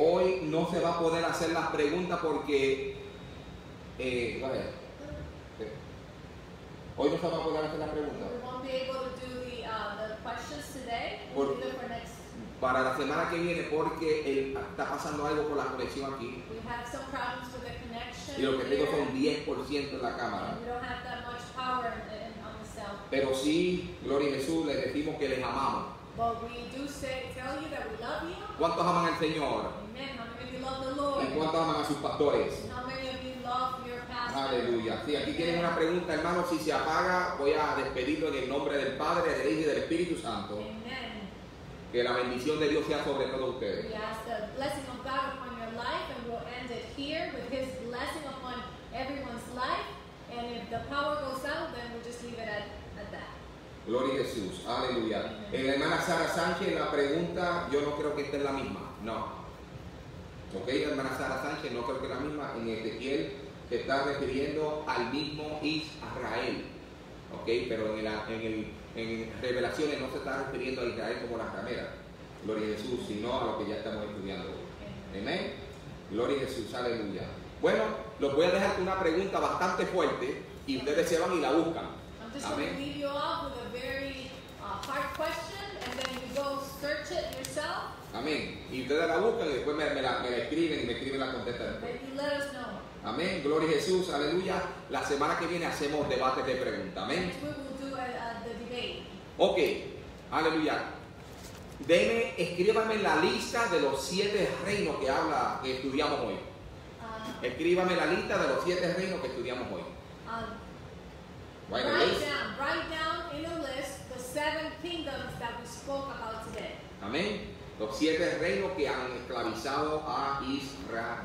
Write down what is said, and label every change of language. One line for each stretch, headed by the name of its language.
Spanish: Hoy no se va a poder hacer las preguntas porque hoy no se va a poder hacer las preguntas.
English: We won't be able to do the questions today.
Spanish: Para la semana que viene, porque está pasando algo con la conexión aquí.
English: We have some problems with the connection.
Spanish: Y lo que tengo son 10% en la cámara.
English: We don't have that much power on the cell.
Spanish: Pero sí, gloria a Jesús, les decimos que les amamos.
English: But we do tell you that we love you.
Spanish: ¿Cuántos aman al Señor?
English: Amen. How many of you love the Lord?
Spanish: ¿Y cuántos aman a sus pastores?
English: How many of you love your pastor?
Spanish: Aleluya. Sí, aquí tienen una pregunta, hermano. Si se apaga, voy a despedirlo en el nombre del Padre, del Hijo y del Espíritu Santo. Amen. Que la bendición de Dios sea sobre todos ustedes.
English: We ask the blessing of God upon your life, and we'll end it here with His blessing upon everyone's life. And if the power goes out, then we'll just leave it at that.
Spanish: Gloria a Jesús, aleluya. En la hermana Sara Sánchez, la pregunta, yo no creo que esté la misma, no. Ok, la hermana Sara Sánchez, no creo que la misma. En Ezequiel se está refiriendo al mismo Israel. Ok, pero en Revelaciones no se está refiriendo a Israel como la ramera. Gloria a Jesús, sino a lo que ya estamos estudiando hoy. Amén. Gloria a Jesús, aleluya. Bueno, los voy a dejar con una pregunta bastante fuerte y ustedes se van y la buscan.
English: Just to leave you off with a very hard question, and then you go search it yourself.
Spanish: Amén. Y ustedes la buscan y después me la escriben y me escriben la contesta.
English: Then you let us know.
Spanish: Amén. Gloria a Jesús. Aleluya. La semana que viene hacemos debates de preguntas. Amén.
English: We will do the debate. Okay. Aleluya.
Spanish: Deme, escríbame la lista de los 7 reinos que estudiamos hoy. Escríbame la lista de los 7 reinos que estudiamos hoy.
English: Write down in a list the 7 kingdoms that we spoke about today.
Spanish: Amén. los siete reinos que han esclavizado a Israel.